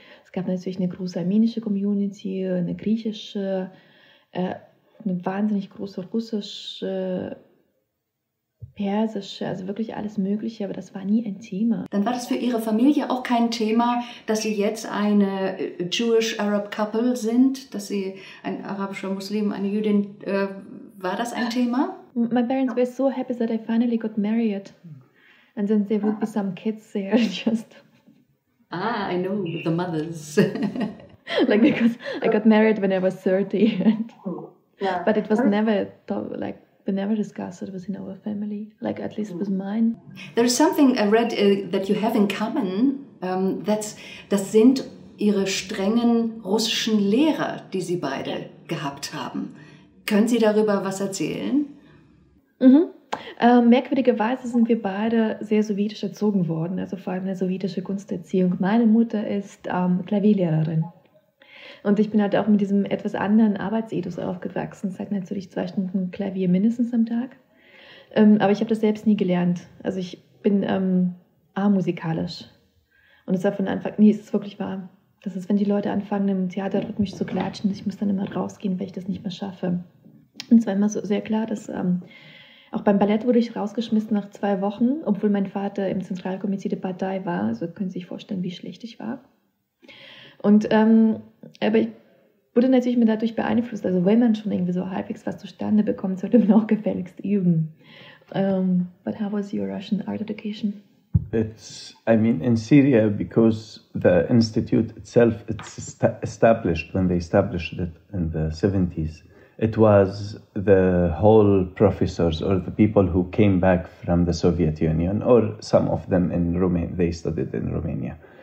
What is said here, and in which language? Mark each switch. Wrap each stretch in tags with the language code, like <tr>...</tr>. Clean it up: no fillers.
<de>Es gab natürlich eine große armenische Community, eine griechische, eine wahnsinnig große russische, persische, also wirklich alles Mögliche, aber das war nie ein Thema. Dann war das für Ihre Familie auch kein Thema, dass Sie jetzt eine</de> <en>Jewish-Arab-Couple</en> <de>sind, dass Sie ein arabischer Muslim, eine Jüdin, war das ein Thema?</de> <en>My parents were so happy that I finally got married. And then there would be some kids there, just... Ah, I know, the mothers. Like, because I got married when I was 30. And, yeah. But it was never, like, we never discussed it within our family. Like, at least with mine. There is something I read that you have in common.</en> <de>Das sind Ihre strengen russischen Lehrer, die Sie beide gehabt haben. Können Sie darüber was erzählen? Mhm. Merkwürdigerweise sind wir beide sehr sowjetisch erzogen worden, also vor allem eine sowjetische Kunsterziehung. Meine Mutter ist Klavierlehrerin und ich bin halt auch mit diesem etwas anderen Arbeitsethos aufgewachsen. Sagt natürlich 2 Stunden Klavier mindestens am Tag, aber ich habe das selbst nie gelernt. Also ich bin amusikalisch und es war von Anfang an, nee, es ist wirklich wahr. Das ist, wenn die Leute anfangen im Theater rhythmisch zu klatschen, ich muss dann immer rausgehen, weil ich das nicht mehr schaffe. Und es war immer so sehr klar, dass auch beim Ballett wurde ich rausgeschmissen nach 2 Wochen, obwohl mein Vater im Zentralkomitee der Partei war. Also können Sie sich vorstellen, wie schlecht ich war. Und aber ich wurde natürlich mir dadurch beeinflusst. Also wenn man schon irgendwie so halbwegs was zustande bekommt, sollte man auch gefälligst üben.</de> <en>But how was your Russian art education? It's, I mean, in Syria, because the institute itself, it's established when they established it in the 70s. It was the whole professors or the people who came back from the Soviet Union, or some of them in Romania, they studied in Romania.</en>